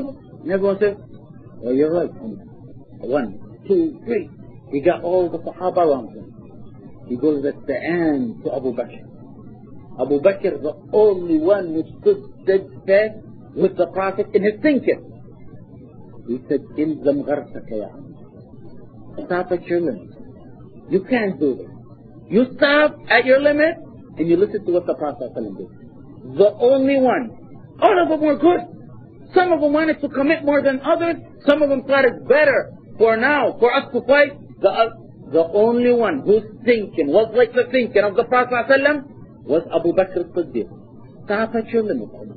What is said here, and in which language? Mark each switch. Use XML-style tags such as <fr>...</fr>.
<en>And everyone says, well, you're right. One, two, three. He got all the Sahaba around him. He goes at the end to Abu Bakr. Abu Bakr, the only one who stood steadfast with the Prophet in his thinking. He said,</en> <ar>إِلْزَمْ غَرْسَكَ يَا عَمْرَ.</ar> <en>Stop at your limit. You can't do this. You stop at your limit, and you listen to what the Prophet is telling you. The only one. All of them were good. Some of them wanted to commit more than others. Some of them thought it's better for now for us to fight. The only one whose thinking was like the thinking of the Prophet ﷺ was Abu Bakr al-Siddiq. Stop at your limit.</en>